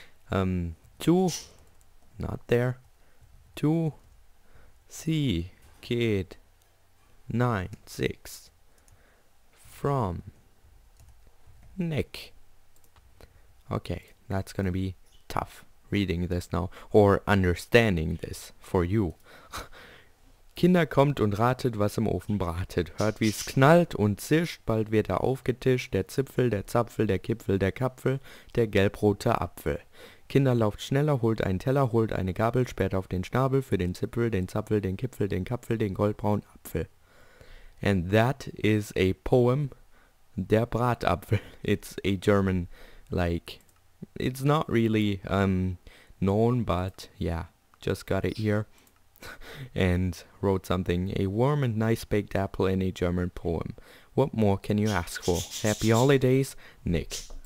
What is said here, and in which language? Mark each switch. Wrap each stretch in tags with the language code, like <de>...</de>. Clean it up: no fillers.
<en>Two, not there. Two, C, kid, 9, 6, from Nick. Okay, that's gonna be tough reading this now, or understanding this for you.</en> <de>Kinder, kommt und ratet, was im Ofen bratet. Hört, wie es knallt und zischt, bald wird er aufgetischt. Der Zipfel, der Zapfel, der Kipfel, der Kapfel, der gelbrote Apfel. Kinder, lauft schneller, holt einen Teller, holt eine Gabel, sperrt auf den Schnabel für den Zipfel, den Zapfel, den Kipfel, den Kapfel, den goldbraunen Apfel.</de> <en>And that is a poem, der Bratapfel. It's a German, like, it's not really known, but yeah, just got it here. And wrote something, a warm and nice baked apple in a German poem. What more can you ask for? Happy holidays, Nick.</en>